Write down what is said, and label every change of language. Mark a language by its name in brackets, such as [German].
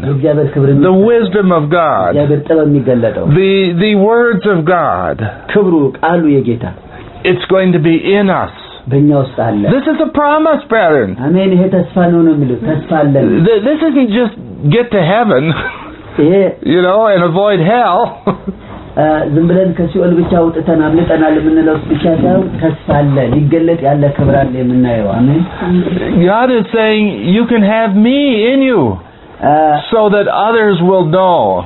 [English] The wisdom of God. The words of God. It's going to be in us. This is a promise, brethren. This isn't just get to heaven, you know, and avoid hell. [Amharic] ዝም ብለን ከሲኦል ብቻ ወጥተን አምልጠናል ምንለው ብቻ ሳይሆን ተስፋ አለ ሊገለጥ ያለ ክብር አለ የምናየው አሜን [English] God is saying you can have me in you so that others will know